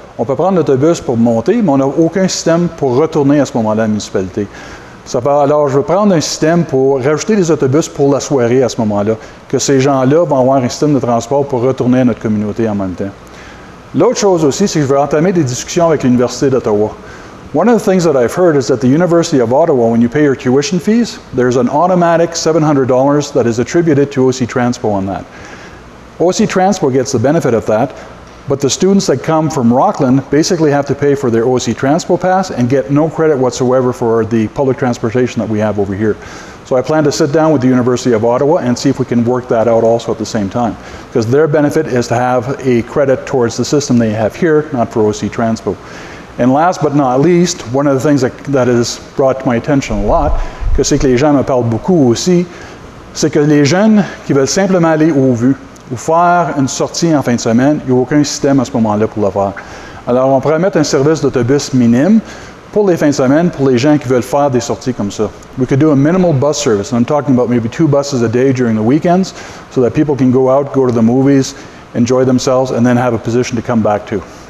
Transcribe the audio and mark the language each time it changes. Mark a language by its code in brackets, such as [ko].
[fr] On peut prendre l'autobus pour monter, mais on n'a aucun système pour retourner à ce moment-là à la municipalité. Ça peut, alors, je veux prendre un système pour rajouter des autobus pour la soirée à ce moment-là, que ces gens-là vont avoir un système de transport pour retourner à notre communauté en même temps. L'autre chose aussi, c'est que je veux entamer des discussions avec l'Université d'Ottawa. [en] One of the things that I've heard is that the University of Ottawa, when you pay your tuition fees, there's an automatic $700 that is attributed to OC Transpo on that. OC Transpo gets the benefit of that, but the students that come from Rockland basically have to pay for their OC Transpo pass and get no credit whatsoever for the public transportation that we have over here. So I plan to sit down with the University of Ottawa and see if we can work that out also at the same time, because their benefit is to have a credit towards the system they have here, not for OC Transpo. And last but not least, one of the things that has brought to my attention a lot, [fr] c'est que les gens me parlent beaucoup aussi, c'est que les jeunes qui veulent simplement aller au vu ou faire une sortie en fin de semaine, il n'y a aucun système à ce moment-là pour le faire. Alors, on pourrait mettre un service d'autobus minime pour les fins de semaine, pour les gens qui veulent faire des sorties comme ça. [en] We could do a minimal bus service, and I'm talking about maybe 2 buses a day during the weekends, so that people can go out, go to the movies, enjoy themselves, and then have a position to come back to.